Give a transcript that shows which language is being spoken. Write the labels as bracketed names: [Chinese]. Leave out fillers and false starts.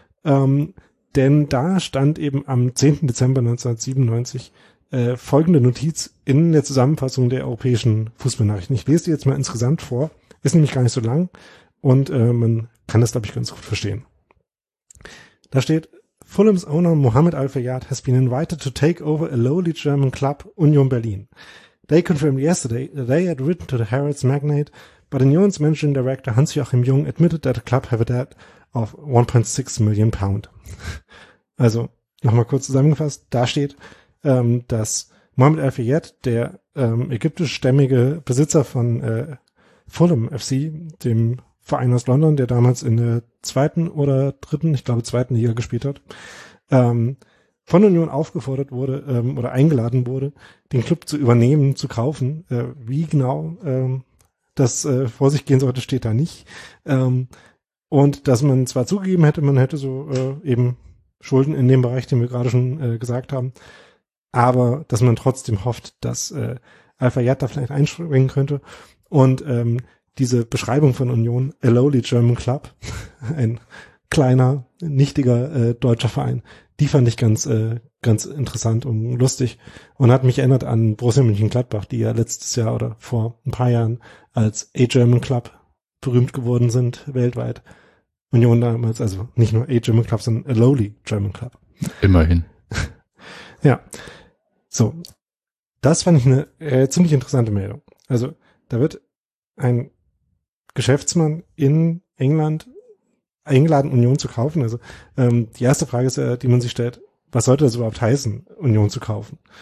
[German] Denn da stand eben am 10. Dezember 1997 folgende Notiz in der Zusammenfassung der europäischen Fußballnachrichten. Ich lese die jetzt mal insgesamt vor, ist nämlich gar nicht so lang und man kann das, glaube ich, ganz gut verstehen. Da steht: [English] Fulham's owner Mohamed Al-Fayed has been invited to take over a lowly German club, Union Berlin. They confirmed yesterday that they had written to the Harrods magnate, but Union's managing director Hans-Joachim Jung admitted that the club have a debt of £1.6 million. [German] Also nochmal kurz zusammengefasst, da steht, dass Mohamed Al-Fayed, der ägyptischstämmige Besitzer von Fulham FC, dem Verein aus London, der damals in der zweiten Liga gespielt hat, von Union aufgefordert wurde oder eingeladen wurde, den Club zu übernehmen, zu kaufen. Wie genau das vor sich gehen sollte, steht da nicht. Und dass man zwar zugegeben hätte, man hätte so eben Schulden in dem Bereich, den wir gerade schon gesagt haben, aber dass man trotzdem hofft, dass Al-Fayed da vielleicht einspringen könnte. Und diese Beschreibung von Union, [English] a lowly German club, [German] ein kleiner, nichtiger deutscher Verein, die fand ich ganz ganz interessant und lustig und hat mich erinnert an Borussia Mönchengladbach, die ja letztes Jahr oder vor ein paar Jahren als [English] a German club [German] berühmt geworden sind weltweit. Union damals, also nicht nur [English] a German club, [German] sondern [English] a lowly German club. [German] Immerhin. Ja, so. Das fand ich eine ziemlich interessante Meldung. Also da wird ein Geschäftsmann in England eingeladen, Union zu kaufen. Also die erste Frage ist, die man sich stellt, was sollte das überhaupt heißen, Union zu kaufen?